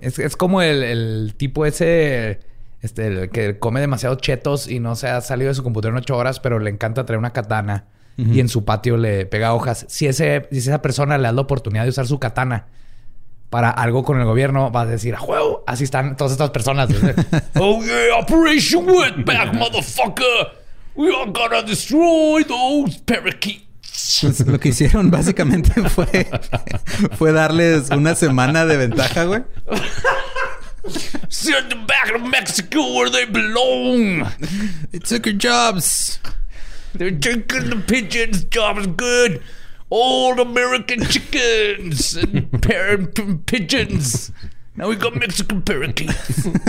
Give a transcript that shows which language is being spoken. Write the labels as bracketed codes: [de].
[es] Es como el tipo ese, este, el que come demasiado chetos y no se ha salido de su computadora en 8 horas, pero le encanta traer una katana. Uh-huh. Y en su patio le pega hojas. Si esa persona le da la oportunidad de usar su katana para algo con el gobierno, va a decir, a juego, así están todas estas personas. [en] Oh, yeah, Operation Wetback, motherfucker. We are gonna destroy those parakeets. [es] Pues lo que hicieron básicamente fue darles una semana de ventaja, güey. [en] Send them back to Mexico where they belong. They took your jobs. They're taking the pigeons. Jobs good. Old American chickens and parent pigeons. Now we got Mexican parakeets.